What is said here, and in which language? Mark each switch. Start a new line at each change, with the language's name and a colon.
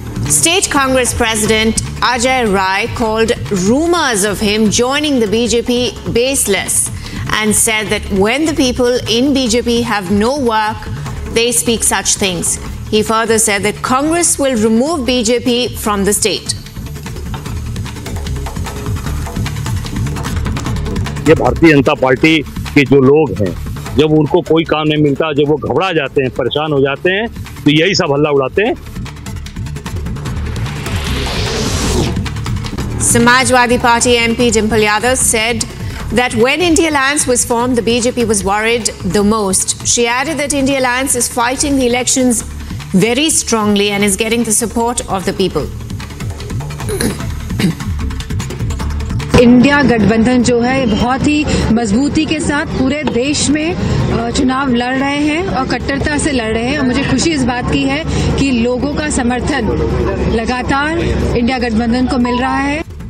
English: State Congress President Ajay Rai called rumors of him joining the BJP baseless and said that when the people in BJP have no work, they speak such things. He further said that Congress will remove BJP from the state.
Hindi: ये Bharatiya Janata party के जो लोग हैं, जब उनको कोई काम नहीं मिलता, जब वो घबरा जाते हैं, परेशान हो जाते हैं, तो यही सब हल्ला उड़ाते हैं।
English: Samajwadi Party MP Dimple Yadav said that when India Alliance was formed, the BJP was worried the most. She added that India Alliance is fighting the elections very strongly and is getting the support of the people.
Hindi: India गठबंधन जो है बहुत ही मजबूती के साथ पूरे देश में चुनाव लड़ रहे हैं और कट्टरता से लड़ रहे हैं, और मुझे खुशी इस बात की है कि लोगों का समर्थन लगातार इंडिया गठबंधन को मिल रहा है.